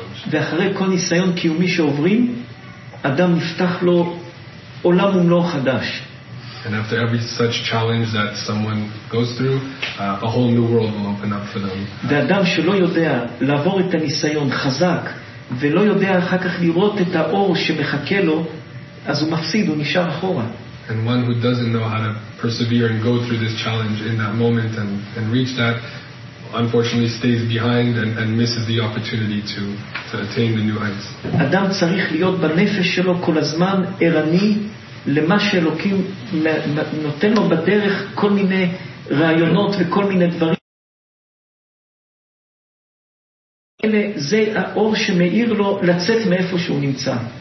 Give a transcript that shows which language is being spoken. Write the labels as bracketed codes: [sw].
[he] ואחרי כל ניסיון קיומי שעוברים, אדם נפתח לו עולם ומלוא חדש. [en] And after every such challenge that someone goes through, a whole new world will open up for them. [he] ואדם שלא יודע לעבור את הניסיון חזק, ולא יודע אחר כך לראות את האור שמחכה לו, אז הוא מפסיד, הוא נשאר אחורה. [en] And one who doesn't know how to persevere and go through this challenge in that moment and reach that, unfortunately stays behind and misses the opportunity to attain the new heights. [he] אדם צריך להיות בנפש שלו כל הזמן ערני למה שאלוקים נותן לו בדרך, כל מיני רעיונות וכל מיני דברים. זה האור שמאיר לו לצאת מאיפה שהוא נמצא.